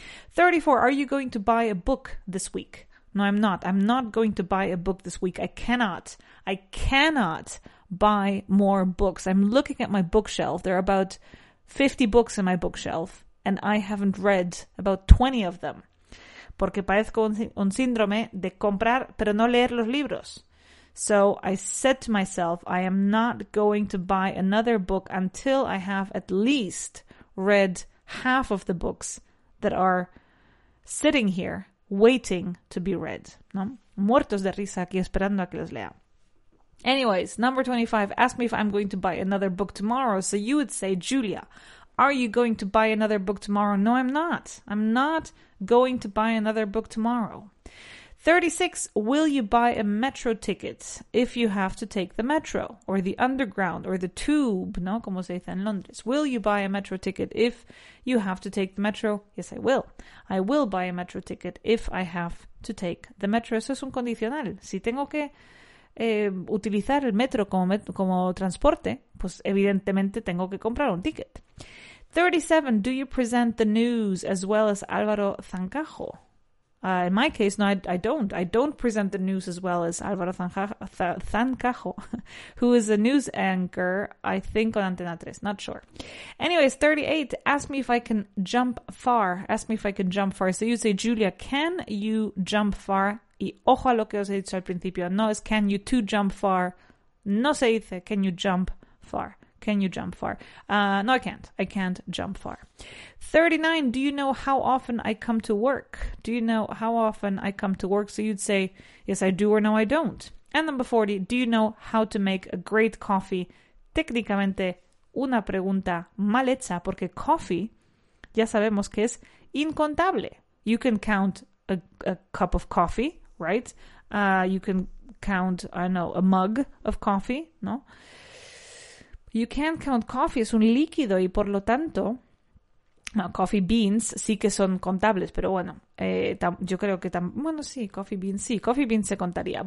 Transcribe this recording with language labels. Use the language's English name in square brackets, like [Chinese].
[English] 34, are you going to buy a book this week? No, I'm not. I'm not going to buy a book this week. I cannot buy more books. I'm looking at my bookshelf. There are about 50 books in my bookshelf, and I haven't read about 20 of them. [Spanish] Porque padezco un síndrome de comprar, pero no leer los libros. [English] So I said to myself, I am not going to buy another book until I have at least read half of the books that are sitting here waiting to be read, [Spanish] ¿no? Muertos de risa aquí esperando a que los lea. [English] Anyways, number 25, ask me if I'm going to buy another book tomorrow. So you would say, Julia, are you going to buy another book tomorrow? No, I'm not. I'm not going to buy another book tomorrow. 36, will you buy a metro ticket if you have to take the metro or the underground or the tube, [Spanish] ¿no? Como se dice en Londres. [English] Will you buy a metro ticket if you have to take the metro? Yes, I will. I will buy a metro ticket if I have to take the metro. [Spanish] Eso es un condicional. Si tengo que utilizar el metro como transporte, pues evidentemente tengo que comprar un ticket. [English] 37, do you present the news as well as Álvaro Zancajo? In my case, no, I don't. I don't present the news as well as Álvaro Zancajo, who is a news anchor, I think, on Antena 3. Not sure. Anyways, 38, ask me if I can jump far. Ask me if I can jump far. So you say, Julia, can you jump far? [Spanish] Y ojo a lo que os he dicho al principio. No es [English] can you too jump far. [Spanish] No se dice [English] can you jump far. Can you jump far? No, I can't. I can't jump far. 39, do you know how often I come to work? Do you know how often I come to work? So you'd say, yes, I do or no, I don't. And number 40, do you know how to make a great coffee? [Spanish] Técnicamente, una pregunta mal hecha, porque coffee, ya sabemos que es incontable. [English] You can count a cup of coffee, right? You can count, I don't know, a mug of coffee, [Spanish] ¿no? [English] You can't count coffee, [Spanish] es un líquido y por lo tanto, no, coffee beans sí que son contables, pero bueno, coffee beans se contaría.